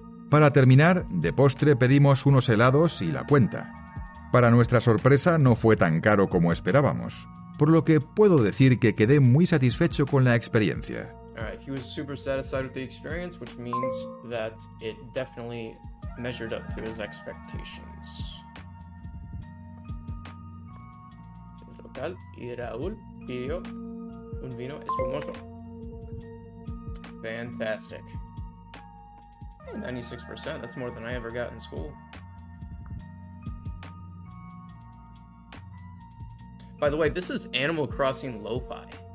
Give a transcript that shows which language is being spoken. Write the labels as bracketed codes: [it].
[es] Para terminar, de postre pedimos unos helados y la cuenta. Para nuestra sorpresa, no fue tan caro como esperábamos, por lo que puedo decir que quedé muy satisfecho con la experiencia. [en] All right, he was super satisfied with the experience, which means that it definitely measured up to his expectations. [es] El local y Raúl pidió un vino espumoso. [en] Fantastic. 96%, that's more than I ever got in school. By the way, this is Animal Crossing Lo-Fi.